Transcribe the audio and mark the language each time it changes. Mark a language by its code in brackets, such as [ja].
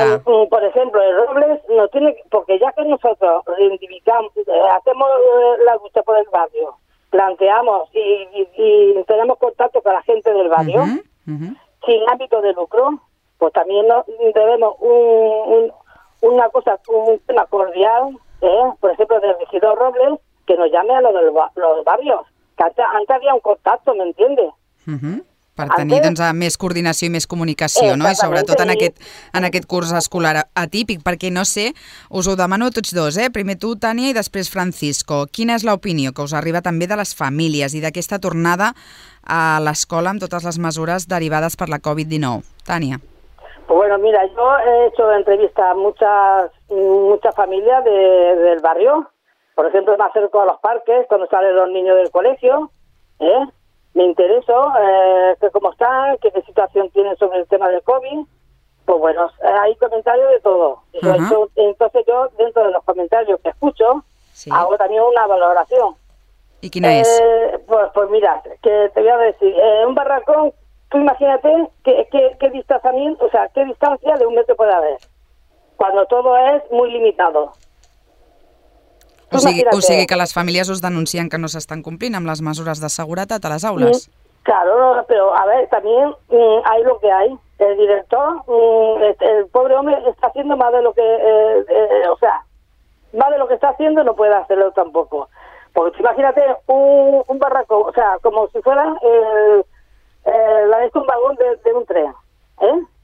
[es] A ver, por ejemplo, el Robles no tiene, porque ya que nosotros reivindicamos, hacemos la lucha por el barrio, planteamos y tenemos contacto con la gente del barrio, sin ámbito de lucro, pues también debemos una cosa, un tema cordial. Por ejemplo, del regidor Robles, que nos llame a los barrios, que antes había un contacto, ¿me entiendes? [ca] Per tenir doncs, més coordinació i més comunicació, no? I sobretot en aquest, curs escolar atípic, perquè no sé, us ho demano tots dos, eh? Primer tu, Tània, i després Francisco. Quina és l'opinió que us arriba també de les famílies i d'aquesta tornada a l'escola amb totes les mesures derivades per la Covid-19? Tània. [es] Pues bueno, mira, yo he hecho entrevista a muchas familias del barrio. Por ejemplo, me acerco a los parques cuando salen los niños del colegio, ¿eh? Me intereso, que cómo están, qué situación tienen sobre el tema del COVID. Pues bueno, hay comentarios de todo. Entonces yo, dentro de los comentarios que escucho, sí, hago también una valoración. ¿Y quién es? Pues mira, que te voy a decir, un barracón, tú imagínate qué distanciamiento, o sea, qué distancia de un metro puede haber, cuando todo es muy limitado. [ca] O sigui que les famílies us denuncien que no s'estan complint amb les mesures de seguretat a les aules. [es] Claro, pero a ver, también hay lo que hay. El director, el pobre hombre está haciendo más de lo que, o sea, más de lo que está haciendo no puede hacerlo tampoco. Porque imagínate un barraco, o sea, como si fuera la vez un vagón de un tren, ¿eh?